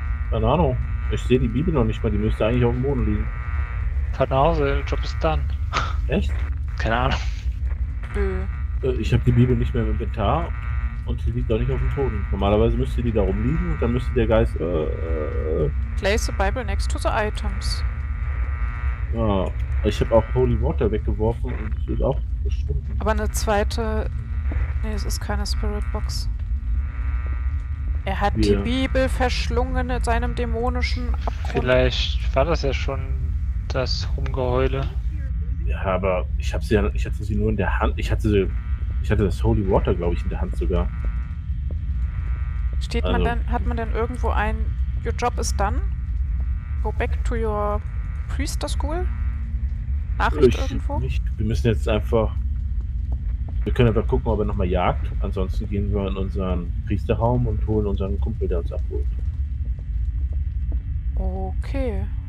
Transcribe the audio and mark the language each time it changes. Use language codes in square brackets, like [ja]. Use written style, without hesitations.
[de] Keine Ahnung. Ich sehe die Bibel noch nicht mal. Die müsste eigentlich auf dem Boden liegen. Fahrt nach Hause, der Job ist done. Echt? Keine Ahnung. Ich habe die Bibel nicht mehr im Inventar und die liegt auch nicht auf dem Boden. Normalerweise müsste die da rumliegen und dann müsste der Geist. [en] Place the Bible next to the items. [de] Ja. Ich habe auch Holy Water weggeworfen und es ist auch verschwunden. Aber eine zweite. Nee, es ist keine Spirit Box. Er hat die Bibel verschlungen in seinem dämonischen Abgrund. Vielleicht war das ja schon das Rumgeheule. Ja, aber ich hatte sie nur in der Hand. Ich hatte das Holy Water, glaube ich, in der Hand sogar. Steht also. Hat man denn irgendwo ein [en] Your job is done? Go back to your priester school? [de] Nachricht irgendwo? Nicht. Wir müssen jetzt einfach. Wir können einfach gucken, ob er nochmal jagt. Ansonsten gehen wir in unseren Priesterraum und holen unseren Kumpel, der uns abholt. Okay.